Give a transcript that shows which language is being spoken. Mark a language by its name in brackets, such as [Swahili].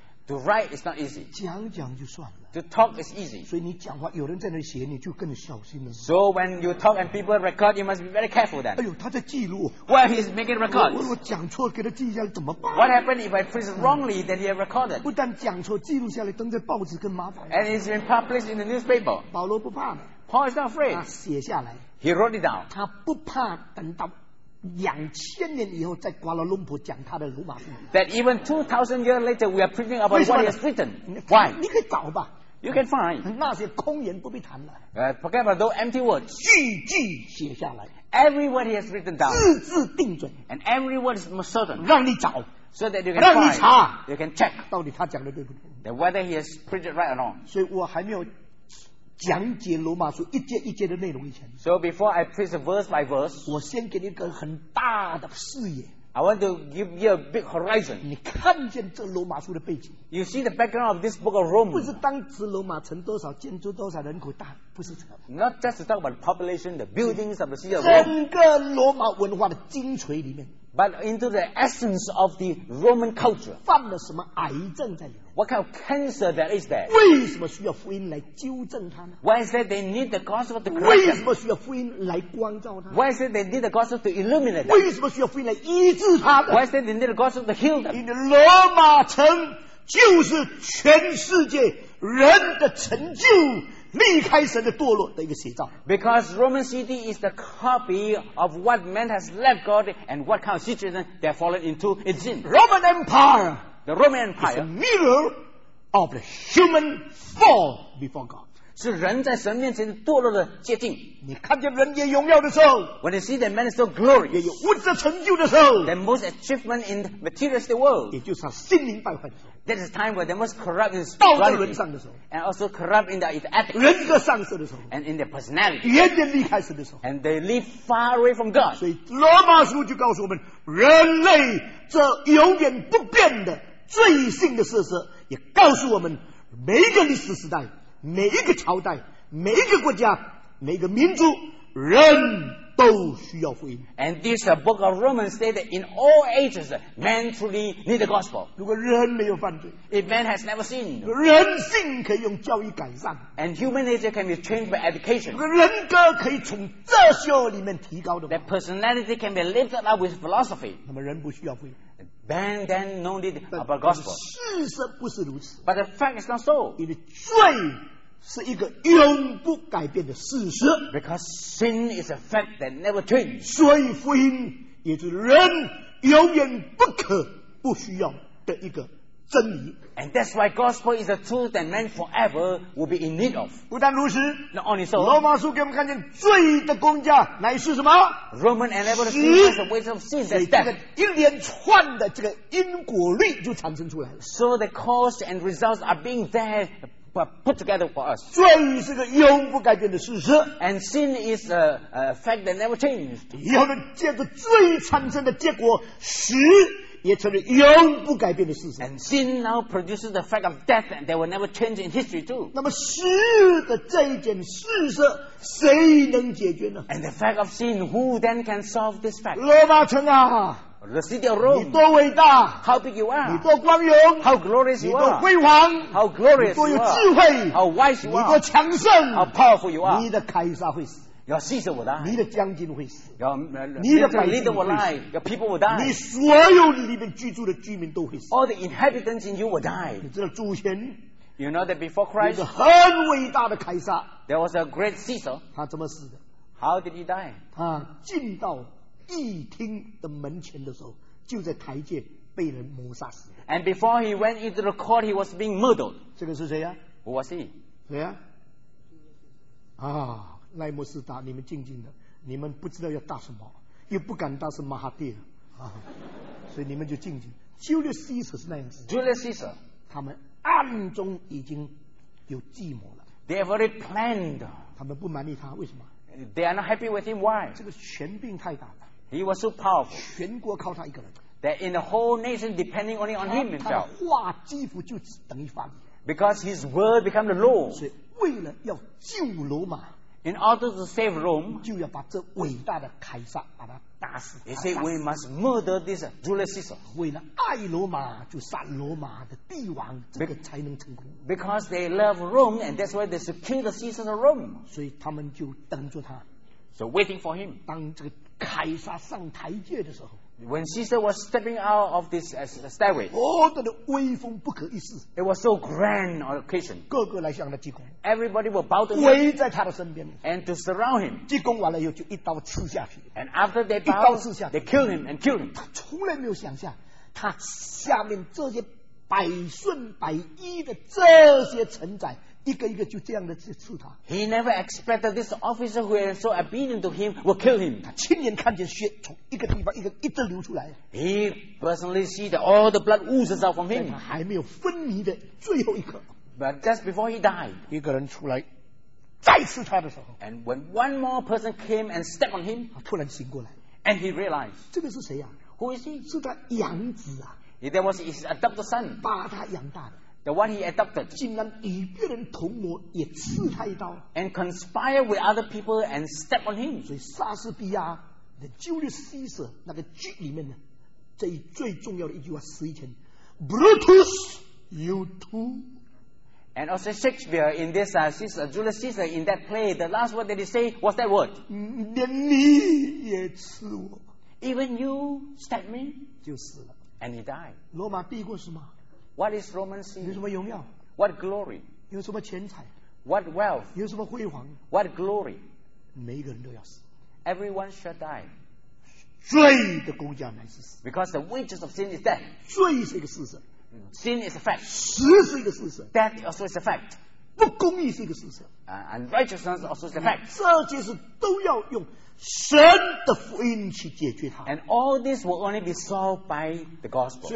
[English] To write is not easy. [Chinese] 讲讲就算了。 [English] To talk is easy. [Chinese] 所以你讲话，有人在那写，你就更小心了。 [English] So when you talk and people record, you must be very careful then. [Chinese] 哎呦，他在记录。 [English] Well, he's making records. [Chinese] 我讲错，给他记下来怎么办 [English] ？What happened if I preach wrongly? Then he recorded. [Chinese] 不但讲错，记录下来，登在报纸更麻烦。 [English] And it's been published in the newspaper. [Chinese] 保罗不怕的。 [English] Paul is not afraid. [Chinese] 他写下来。 [English] He wrote it down. [Chinese] 他不怕等到。两千年以后在瓜拉隆坡讲他的罗马书。 [English] That even 2,000 years later we are preaching about what he has written. Why? [Chinese] 你可以找吧。 [English] You can find. [Chinese] 那些空言不必谈了。 [English] Forget about those empty words. [Chinese] 句句写下来。 [English] Every word he has written down. [Chinese] 字字定准。 [English] And every word is most certain. [Chinese] 让你找。 [English] So that you can find. [Chinese] 让你查。 [English] You can check. [Chinese] 到底他讲的对不对。 [English] That whether he has preached right or wrong. [Chinese] 所以我还没有讲解罗马书一节一节的内容以前 [English] So before I preach verse by verse [Chinese] 我先给你一个很大的视野 [English] I want to give you a big horizon [Chinese] 你看见这罗马书的背景 [English] You see the background of this book of Rome [Chinese] 不是当时罗马城多少建筑多少人口大不是这个 [English] Not just to talk about the population the buildings of the city of Rome [Chinese] 整个罗马文化的精髓里面 [English] But into the essence of the Roman culture [Chinese] 犯了什么癌症在里面 [English] What kind of cancer that is there? [Chinese] 为什么需要福音来纠正他呢 [English] Why is that they need the gospel to [Chinese] 为什么需要福音来光照他 [English] Why is that they need the gospel to illuminate them? [Chinese] 为什么需要福音来医治他呢 [English] Why is that they need the gospel to heal them? [Chinese] 因为罗马城就是全世界人的成就离开神的堕落的一个写照 [English] Because Roman city is the copy of what man has left God and what kind of situation they have fallen into it's in Roman Empire The Roman Empire is a mirror of the human fall before God. [Chinese] 是人在神面前堕落的接近。你看见人也荣耀的时候 [English] ，When you see the man so glorious， [Chinese] 也有物质成就的时候 [English] ，The most achievement in the materialist world， [Chinese] 也就是心灵败坏的时候。 [English] That is time where the most corrupt is spirituality, [Chinese] 道德沦丧的时候 [English] ，and also corrupt in their ethics， [Chinese] 人格丧失的时候 [English] ，and in their personality， [Chinese] 远远离开神的时候 [English] ，and they live far away from God。 [Chinese] 所以罗马书就告诉我们，人类这永远不变的。罪性的事实也告诉我们，每一个历史时代、每一个朝代、每一个国家、每一个民族，人都需要福音。 [English] And this book of Romans says that in all ages, men truly need the gospel. [Chinese] 如果人没有犯罪 [English] ，if man has never sinned， [Chinese] 人性可以用教育改善 [English] ，and human nature can be changed by education， [Chinese] 人格可以从哲学里面提高的 [English] ，that personality can be lifted up with philosophy。 [Chinese] 那么人不需要福音。 [English] Man then no need of a gospel. [Chinese] 事实不是如此。 [English] But the fact is not so. [Chinese] 因为罪是一个永不改变的事实。 [English] Because sin is a fact that never changes. [Chinese] 所以福音也是人永远不可不需要的一个真理。 [English] And that's why gospel is a truth that man forever will be in need of. [Chinese] 不但如此 [English] ，Not only so. [Chinese] 罗马书给我们看见罪的工价乃是什么 [English] ？Roman enabled sin is a wage of sin. [Chinese] 所以这个一连串的这个因果律就产生出来了。 [English] So the cause and results are being there put together for us. [Chinese] 罪是个永不改变的事实。 [English] And sin is a fact that never changes. [Chinese] 以后呢，借着罪产生的结果使。也成了永不改变的事实。 [English] And sin now produces the fact of death, and they will never change in history too. [Chinese] 那么死的这一件事实，谁能解决呢 [English] ？And the fact of sin, who then can solve this fact? [Chinese] 罗马城啊 [English] ，The city of Rome, [Chinese] 你多伟大 [English] ！How big you are! [Chinese] 你多光荣 [English] ！How glorious you are! [Chinese] 你多辉煌 [English] ！How glorious you are! [Chinese] 你多有智慧 [English] ！How wise you are! [Chinese] 你多强盛 [English] ！How powerful you are! [Chinese] 你的凯撒会死。 [English] Your Caesar will die. [Chinese] 你的将军会死。 [English] Your leader will die. Your people will die. [Chinese] 你所有里面居住的居民都会死。 [English] All the inhabitants in you will die. [Chinese] 你知道祖先 [English] ？You know that before Christ, [Chinese] 一个很伟大的凯撒。 [English] There was a great Caesar. [Chinese] 他怎么死的 [English] ？How did he die? [Chinese] 他进到议厅的门前的时候，就在台阶被人谋杀死。 [English] And before he went into the court, he was being murdered. [Chinese] 这个是谁呀 [English] ？Who was he? [Chinese] 谁呀？啊。莱莫斯达，你们静静的，你们不知道要答什么，又不敢答是马哈蒂尔、啊、所以你们就静静。 Julius Caesar 是那样子。 [English] Julius Caesar， [Chinese] 他们暗中已经有计谋了。 [English] They have already planned。 [Chinese] 他们不满意他，为什么 [English] they are not happy with him. Why? [Chinese] 这个权柄太大了。 [English] He was so powerful. [Chinese] 全国靠他一个人。 [English] That in the whole nation depending only on him himself. [Chinese] 他的话几乎就等于方言。 [English] Because his word became the law. [Chinese] 所以为了要救罗马。 [English] In order to save Rome, [Chinese] 就要把这伟大的凯撒把他打死。 [English] He said, "We must murder this Julius Caesar." [Chinese] 为了爱罗马，就杀罗马的帝王，这个才能成功。 [English] Because they love Rome, and that's why they should kill the Caesar of Rome. [Chinese] 所以他们就等着他。 [English] So waiting for him. [Chinese] 当这个凯撒上台阶的时候。 [English] When Caesar was stepping out of this stairway, it was so grand an occasion. [Chinese] 个个来向他鞠躬。 [English] Everybody will bow to him. [Chinese] 围在他的身边。 [English] And to surround him. [Chinese] 鞠躬完了以后就一刀刺下去。 [English] And after they bow, [Chinese] 一刀刺下去。 [English] They kill him and kill him. [Chinese] 他从来没有想象，他下面这些百顺百依的这些臣宰。一个一个就这样的去刺他。 [English] He never expected this officer who is so obedient to him will kill him. [Chinese] 他亲眼看见血从一个地方一个一直流出来。 [English] He personally see that all the blood oozes out from him. [Chinese] 他还没有昏迷的最后一刻。 [English] But just before he died, [Chinese] 一个人出来再刺他的时候。 [English] And when one more person came and stepped on him, [Chinese] 他突然醒过来。 [English] And he realized, [Chinese] 这个是谁啊？ [English] Who is he? [Chinese] 是他养子啊。 [English] That was his adopted son. [Chinese] 把他养大的。 [English] The one he adopted, [Chinese] 竟然与别人同谋，也刺他一刀 [English] ，and conspire with other people and step on him. [Chinese] 所以莎士比亚的《Julius Caesar》那个剧里面呢，这一最重要的一句话，死以前 ， [English] Brutus, you too. And also Shakespeare in this Caesar, Julius Caesar in that play, the last word that he say was that word. [Chinese] 连你也刺我 [English] ，even you step me, [Chinese] 就死了 [English] ，and he died. [Chinese] 罗马帝国是吗？ [English] What is Roman city? [Chinese] 有什么荣耀？ [English] What glory? [Chinese] 有什么钱财？ [English] What wealth? [Chinese] 有什么辉煌？ [English] What glory? [Chinese] 每一个人都要死。 [English] Everyone shall die. [Chinese] 罪的工价乃是死。 [English] Because the wages of sin is death. [Chinese] 罪是一个事实。 [English] Sin is a fact. [Chinese] 死是一个事实。 [English] Death also is a fact. [Chinese] 不公义是一个事实。 [English] Unrighteousness also is a fact. [Chinese] 这些事都要用神的福音去解决它。 [English] And all this will only be solved by the gospel.